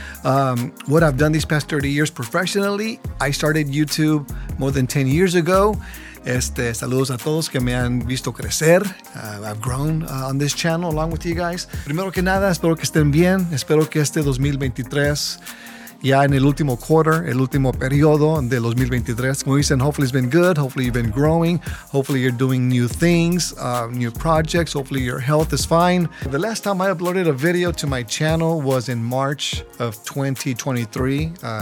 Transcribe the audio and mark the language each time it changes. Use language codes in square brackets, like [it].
[en] What I've done these past 30 years professionally, I started YouTube more than 10 years ago. [es] Saludos a todos que me han visto crecer. [en] I've grown on this channel along with you guys. [es] Primero que nada, espero que estén bien. Espero que 2023... ya en el último quarter, el último periodo de 2023. Como dicen, [en] hopefully it's been good. Hopefully you've been growing. Hopefully you're doing new things, new projects. Hopefully your health is fine. The last time I uploaded a video to my channel was in March of 2023.